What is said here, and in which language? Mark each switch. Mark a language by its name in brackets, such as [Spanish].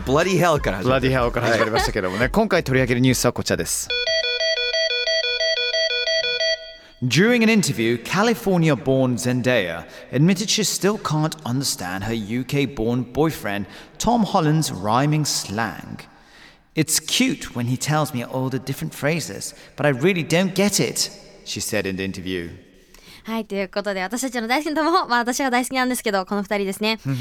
[English] Bloody hell [Japanese] から始まり。 [English] Bloody hell [Japanese] から始まりましたけどもね。今回取り上げるニュースはこちらです。 [English] During an interview, California-born Zendaya admitted she still can't understand her UK-born boyfriend Tom Holland's rhyming slang. It's cute when he tells me all the different phrases, but I really don't get it, she said in the interview. [Japanese] はい、ということで私たちの大好きなトム、まあ、私が大好きなんですけどこの二人ですね。